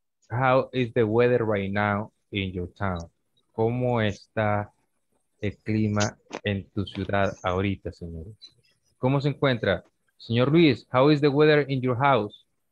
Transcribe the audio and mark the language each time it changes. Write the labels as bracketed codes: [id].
[en] How is the weather right now in your town? [es] ¿Cómo está el clima en tu ciudad ahorita, señores? ¿Cómo se encuentra? Señor Luis, [en] how is the weather in your house?